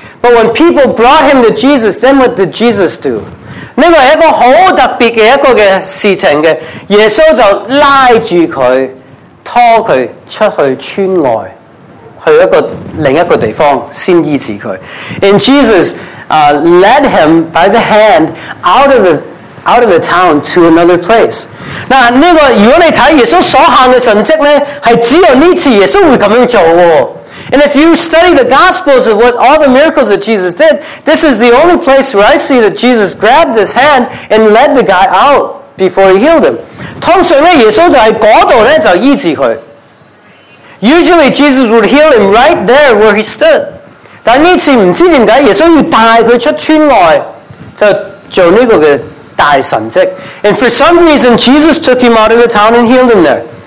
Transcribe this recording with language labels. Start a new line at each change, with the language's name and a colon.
English: But when people brought him to Jesus, then what did Jesus do?
Cantonese: 這是一個很特別的事情, 耶穌就拉著他,拖他出去村外, 去另一個地方,先醫治他。
English: And Jesus led him by the hand out of the town to another place.
Cantonese: 那如果你看耶稣所行的神迹呢,是只有这次耶稣会这样做。
English: And if you study the Gospels of what all the miracles that Jesus did, this is the only place where I see that Jesus grabbed his hand and led the guy out before he healed him.
Cantonese: 通常耶稣就在那里医治他。
English: Usually Jesus would heal him right there where he stood.
Cantonese: 但这次不知为什么耶稣要带他出村外,就做这个大神迹。
English: And for some reason, Jesus took him out of the town and healed him there.